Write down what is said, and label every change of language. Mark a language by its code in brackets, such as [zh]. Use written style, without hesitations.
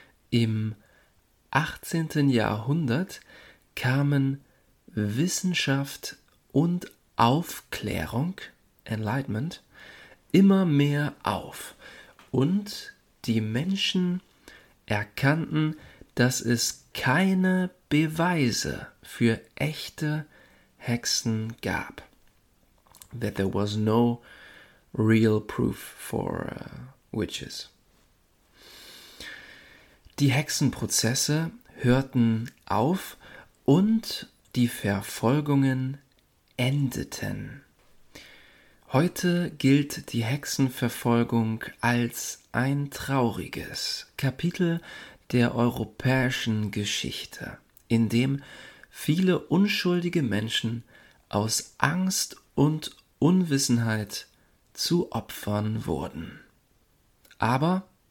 [de] Im 18. Jahrhundert kamen Wissenschaft und Aufklärung, Enlightenment, immer mehr auf und die Menschen erkannten, dass es keine Beweise für echte Hexen gab. [en] That there was no real proof for witches. [de] Die Hexenprozesse hörten auf und die Verfolgungen endeten. Heute gilt die Hexenverfolgung als ein trauriges Kapitel der europäischen Geschichte, in dem viele unschuldige Menschen aus Angst und Unwissenheit zu Opfern wurden. Aber